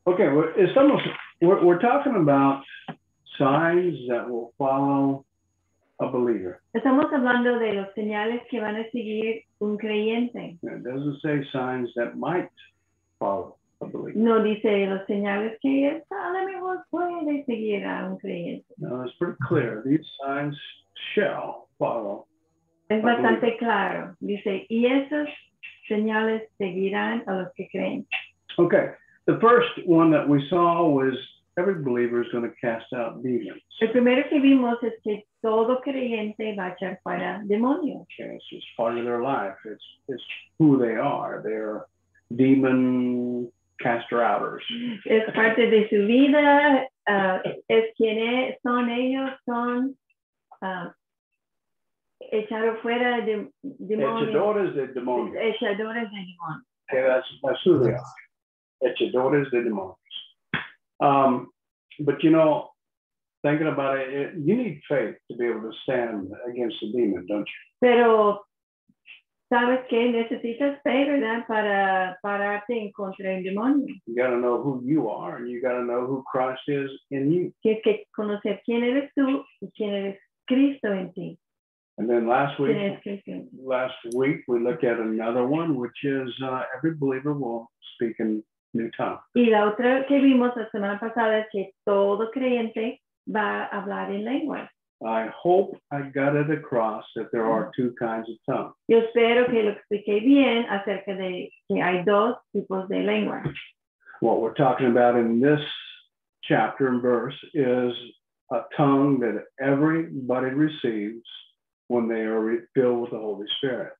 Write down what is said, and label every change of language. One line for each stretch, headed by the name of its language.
English: Ok, we're talking about signs that will follow a believer.
Spanish: Estamos hablando de los señales que van a seguir un creyente.
English: It doesn't say signs that might follow a believer.
Spanish: No dice los señales que a lo mejor puede seguir a un creyente.
English: No, it's pretty clear. These signs shall follow.
Spanish: Es bastante claro. Dice, y esas señales seguirán a los que creen.
English: Okay. The first one that we saw was every believer is going to cast out demons.
Spanish: El primero que vimos es que todo creyente va a echar fuera demonios.
English: Okay, it's just part of their life. It's who they are. They're demon caster-outers.
Spanish: Es parte de su vida. Es quien es, son ellos. Son echar fuera de demonios. Echadores de demonios. Echadores de demonios.
English: Okay, that's who they are.
Spanish: Echadores de demonios.
English: But you know, thinking about it, you need faith to be able to stand against the demon, don't you?
Spanish: Pero, ¿sabes qué? Necesitas fe, ¿verdad? Para pararte en contra del demonio.
English: You got to know who you are, and you got to know who Christ is in you.
Spanish: Tienes que conocer quién eres tú y quién eres Cristo en ti.
English: And then last week we looked at another one, which is every believer will speak in new tongues.
Spanish: Y la otra que vimos la semana pasada es que todo creyente va a hablar en lengua.
English: I hope I got it across that there are two kinds of tongues.
Spanish: Yo espero que lo expliqué bien acerca de que hay dos tipos de lengua.
English: What we're talking about in this chapter and verse is a tongue that everybody receives when they are filled with the Holy Spirit.